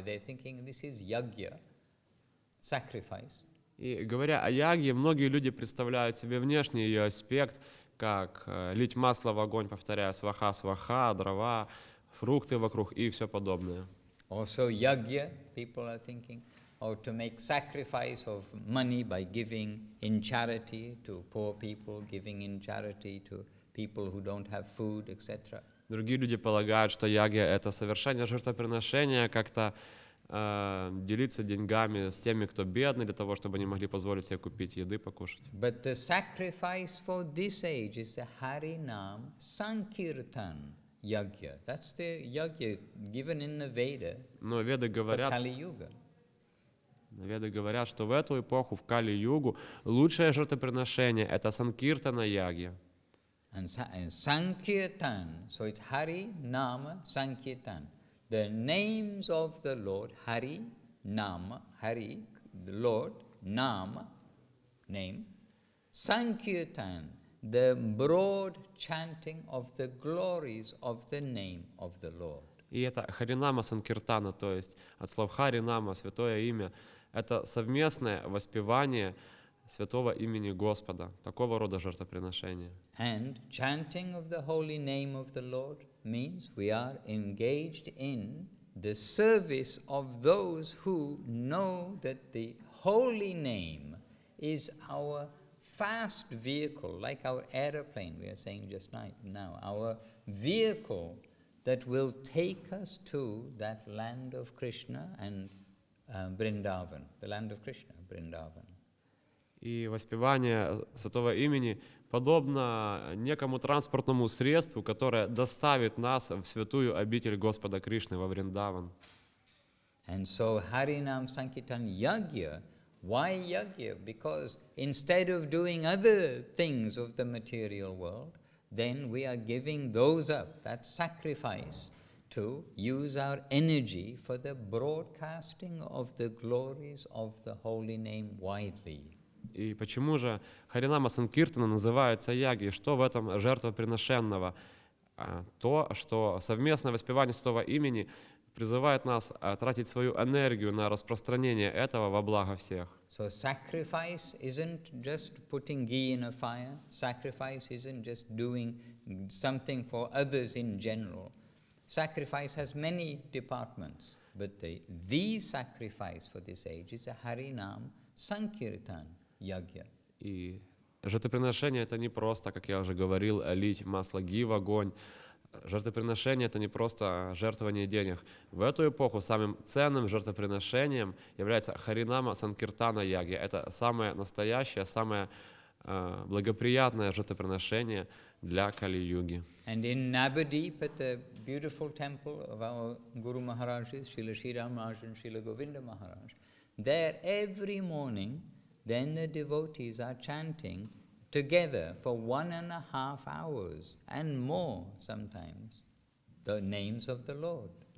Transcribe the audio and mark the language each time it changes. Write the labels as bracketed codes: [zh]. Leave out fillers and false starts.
[en] They're thinking this is yagya, sacrifice. [ru] И говоря о ягье, многие люди представляют себе внешний ее аспект, как лить масло в огонь, повторяя сваха, сваха, дрова, фрукты вокруг и все подобное. [en] Also yagya, people are thinking, or to make sacrifice of money by giving in charity to poor people, giving in charity to people who don't have food, etc. [ru] Другие люди полагают, что ягья — это совершение жертвоприношения, как-то делиться деньгами с теми, кто бедный, для того, чтобы они могли позволить себе купить еды, покушать. [en] But the sacrifice for this age is the Harinam Sankirtan. Yagya. That's the yagya given in the Veda. [ru] Но веды говорят, [en] for Kali-Yuga. [ru] Веды говорят, что в эту эпоху, в Кали-Югу, лучшее жертвоприношение — это санкиртана-ягья. [en] Sankirtan, so it's Hari, Nama, Sankirtan. The names of the Lord, Hari, Nama, Hari, the Lord, Nama, name, Sankirtan, the broad chanting of the glories of the name of the Lord. [ru] И это Харинама Санкиртана, то есть от слов Харинама, святое имя, это совместное воспевание святого имени Господа, такого рода жертвоприношение. [en] And chanting of the holy name of the Lord means we are engaged in the service of those who know that the holy name is our fast vehicle, like our aeroplane, we are saying just now, our vehicle that will take us to that land of Krishna and Vrindavan, the land of Krishna, Vrindavan. [ru] И воспевание святого имени подобно некому транспортному средству, которое доставит нас в святую обитель Господа Кришны во Вриндаван. [en] And so Harinam Sankirtan Yagya. Why Yagya? Because instead of doing other things of the material world, then we are giving those up, that sacrifice, to use our energy for the broadcasting of the glories of the holy name widely. [ru] И почему же Харинама Санкиртана называется Ягья? Что в этом жертвоприношенного? То, что совместное воспевание святого имени призывает нас тратить свою энергию на распространение этого во благо всех. [en] So sacrifice isn't just putting ghee in a fire. Sacrifice isn't just doing something for others in general. Sacrifice has many departments. But the sacrifice for this age is a Харинам Санкиртан. [ru] И жертвоприношение — это не просто, как я уже говорил, лить масло ги в огонь. Жертвоприношение — это не просто жертвование денег. В эту эпоху самым ценным жертвоприношением является Харинама Санкиртана Ягья. Это самое настоящее, самое благоприятное жертвоприношение для Кали-юги. [en] And in Nabadeep, at the beautiful temple of our Guru Maharaj, Srila Shri Ramaraj and Srila Govinda Maharaj, there every morning then the devotees are chanting together for 1.5 hours and more sometimes the names of the Lord.